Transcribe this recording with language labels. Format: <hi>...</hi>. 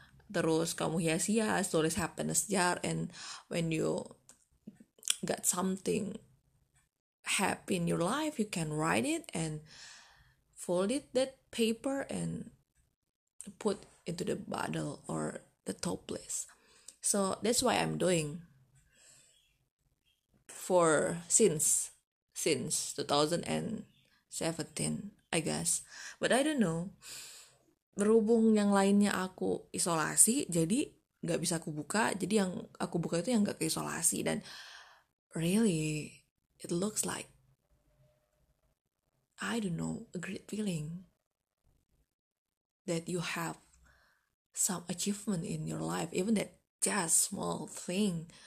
<id>Terus kamu hias-hias, tulis</id> <en>happiness jar, and when you got something happy in your life, you can write it and fold it that paper and put into the bottle or the toples. So that's why I'm doing for since 2017, I guess. But I don't know.</en> <id>Berhubung yang lainnya aku isolasi, jadi gak bisa aku buka. Jadi yang aku buka itu yang gak keisolasi.</id> <en>Dan really, it looks like, I don't know, a great feeling that you have some achievement in your life, even that just small thing.</en>